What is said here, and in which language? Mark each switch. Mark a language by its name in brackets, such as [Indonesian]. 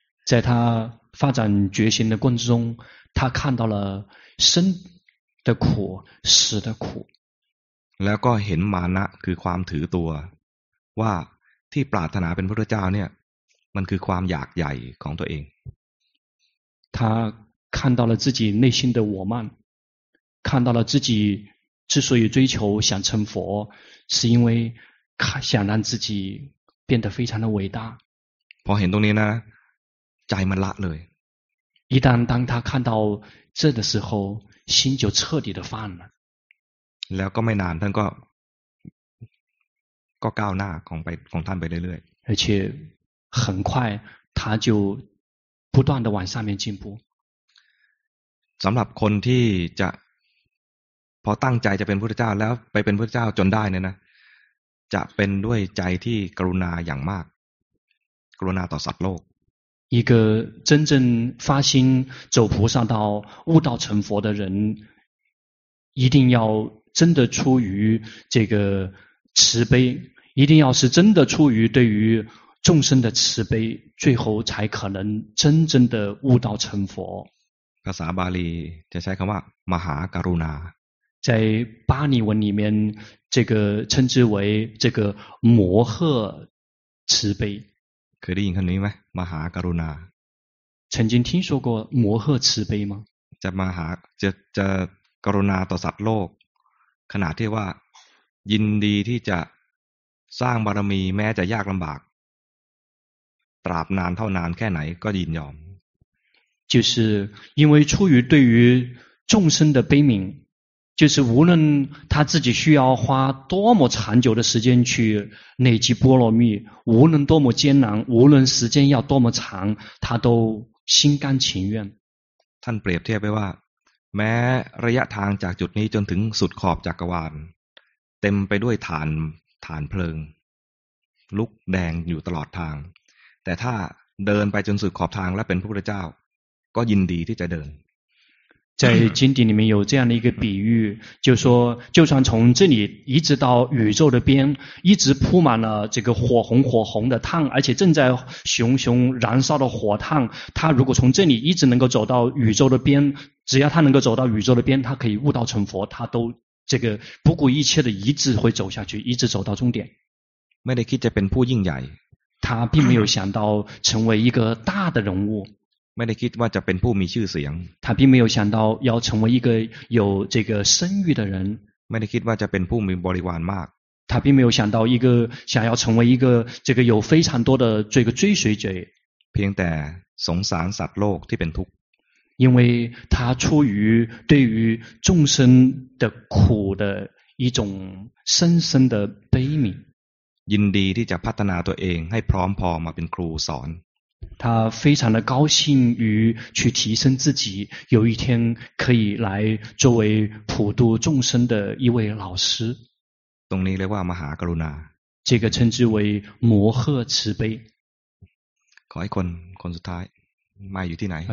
[Chinese] 在他发展决心的过程中他看到了生的苦死的苦 [Thai] แล้วก็เห็นมานะคือความถือตัวว่าที่ปรารถนาเป็นพระพุทธเจ้าเนี่ยมันคือความอยากใหญ่ของตัวเอง [Chinese] 他看到了自己内心的我慢看到了自己之所以追求想成佛是因为想让自己变得非常的伟大 [Thai] พอเห็นตรงนี้นะใจมันละเลย [Chinese] 一旦当他看到这的时候心就彻底的放了 [Thai] แล้วก็ไม่นานท่านก็ก้าวหน้าของท่านไปเรื่อย [Chinese] ๆ而且很快他就不断地往上面进步。 [Thai] สำหรับคนที่จะพอตั้งใจจะเป็นพุทธเจ้าแล้วไปเป็นพุทธเจ้าจนได้เนี่ยนะจะเป็นด้วยใจที่กรุณาอย่างมากกรุณาต่อสัตว์โลก [Chinese] 一个真正发心走菩萨道悟道成佛的人一定要真的出于这个慈悲一定要是真的出于对于众生的慈悲最后才可能真正的悟道成佛 [Thai] ภาษาบาลีจะใช้คำว่ามหากรุณา [Chinese] 在巴利文里面这个称之为这个摩诃慈悲 [Thai] เคยได้ยินคำนี้ไหมมหากรุณา [Chinese] 曾经听说过摩诃慈悲吗 [Thai] จะมหาจะกรุณาต่อสัตว์โลกขนาดที่ว่ายินดีที่จะสร้างบารมีแม้จะยากลำบากตราบนานเท่านานแค่ไหนก็ยินยอม [Chinese] 就是因为出于对于众生的悲悯就是无论他自己需要花多么长久的时间去累积波罗蜜无论多么艰难无论时间要多么长他都心甘情愿 [Thai] ท่านเปรียบเทียบไปว่าแม้ระยะทางจากจุดนี้จนถึงสุดขอบจักรวาลเต็มไปด้วยฐานเพลิงลุกแดงอยู่ตลอดทางแต่ถ้าเดินไปจนสุดขอบทางและเป็นพระพุทธเจ้าก็ยินดีที่จะเดิน [Chinese] 在经典里面有这样的一个比喻就说就算从这里一直到宇宙的边一直铺满了这个火红的炭而且正在熊熊燃烧的火炭他如果从这里一直能够走到宇宙的边只要他能够走到宇宙的边他可以悟道成佛他都这个不顾一切的一直会走下去一直走到终点 [Thai] ไม่ได้คิดจะเป็นผู้ยิ่งใหญ่ [Chinese] 他并没有想到成为一个大的人物 [Thai] ไม่ได้คิดว่าจะเป็นผู้มีชื่อเสียง [Chinese] 他并没有想到要成为一个有这个声誉的人 [Thai] ไม่ได้คิดว่าจะเป็นผู้มีบริวารมาก [Chinese] 他并没有想到一个想要成为一个这个有非常多的这个追随者 [Thai] เพียงแต่สงสารสัตว์โลกที่เป็นทุกข์ [Chinese] 因为他出于对于众生的苦的一种深深的悲悯 [Thai] ยินดีที่จะพัฒนาตัวเองให้พร้อมพอมาเป็นครูสอน [Chinese] 他非常的高兴于去提升自己有一天可以来作为普度众生的一位老师 [Thai] ตรงนี้เรียกว่ามหากรุณา [Chinese] 这个称之为摩诃慈悲 [Thai] ขอให้คนสุดท้ายมาอยู่ที่ไหน